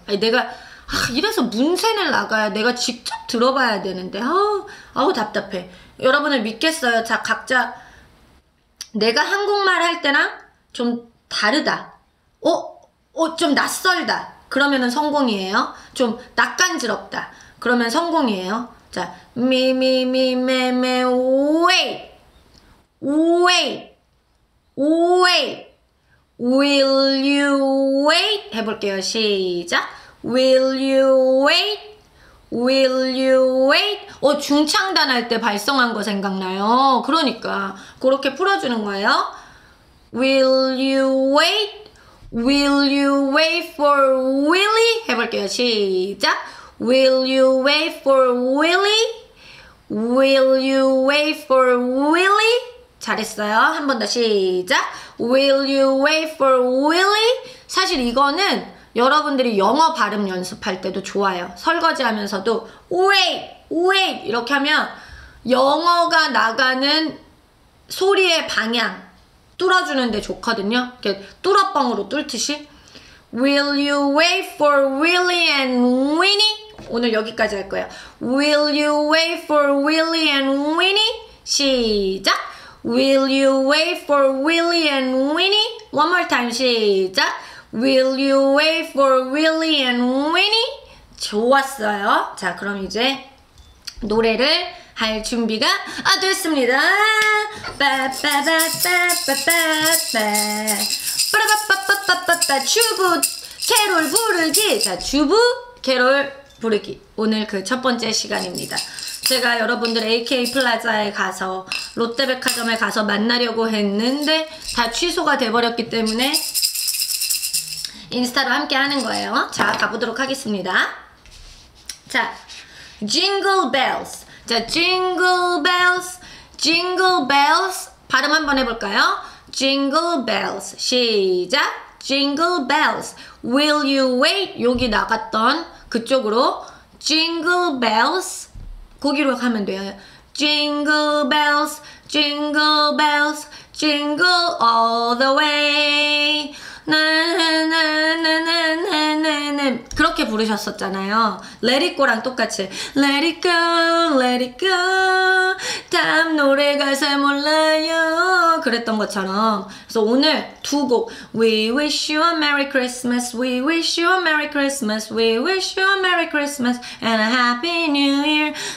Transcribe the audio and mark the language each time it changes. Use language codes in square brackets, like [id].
[ko] 아니, 내가 이래서 문센을 나가야 내가 직접 들어봐야 되는데 아우 답답해. 여러분을 믿겠어요. 자 각자 내가 한국말 할 때랑 좀 다르다 좀 낯설다 그러면은 성공이에요. 좀 낯간지럽다 그러면 성공이에요. [en] 자 미미미메메 wait wait wait will you wait [ko] 해볼게요. 시작. [en] will you wait will you wait [ko] 중창단 할 때 발성한 거 생각나요. 그러니까 그렇게 풀어주는 거예요. [en] will you wait for Willie [ko] 해볼게요. 시작. [en] will you wait for Willie will you wait for Willie [ko] 잘했어요. 한 번 더 시작. [en] Will you wait for Willie? [ko] 사실 이거는 여러분들이 영어 발음 연습할 때도 좋아요. 설거지 하면서도 [en] wait, wait [ko] 이렇게 하면 영어가 나가는 소리의 방향 뚫어주는 데 좋거든요. 이렇게 뚫어뻥으로 뚫듯이. [en] Will you wait for Willie and Winnie? [ko] 오늘 여기까지 할 거예요. [en] Will you wait for Willie and Winnie? [ko] 시작. [en] Will you wait for Willie and Winnie? One more time, [ko] 시작. [en] Will you wait for Willie and Winnie? [ko] 좋았어요. 자, 그럼 이제 노래를 할 준비가 됐습니다. 빠빠빠빠빠빠빠빠빠빠빠빠빠빠빠빠빠빠빠빠빠 주부 캐롤 부르기. 자, 주부 캐롤 부르기. 오늘 그 첫 번째 시간입니다. 제가 여러분들 AK 플라자에 가서 롯데백화점에 가서 만나려고 했는데 다 취소가 돼버렸기 때문에 인스타로 함께 하는 거예요. 자 가보도록 하겠습니다. 자 Jingle Bells. 자 Jingle Bells Jingle Bells 발음 한번 해볼까요? [en] Jingle Bells [ko] 시작. [en] Jingle Bells Will you wait? [ko] 여기 나갔던 그쪽으로 Jingle Bells 거기로 가면 돼요. [en] Jingle bells, jingle bells, jingle all the way. [ko] 나나나나나나나 그렇게 부르셨었잖아요. [en] Let it go [ko] 랑 똑같이. [en] Let it go, let it go. [ko] 다음 노래가 잘 몰라요. 그랬던 것처럼. 그래서 오늘 두 곡. [en] We wish you a Merry Christmas. We wish you a Merry Christmas. We wish you a Merry Christmas and a Happy New Year.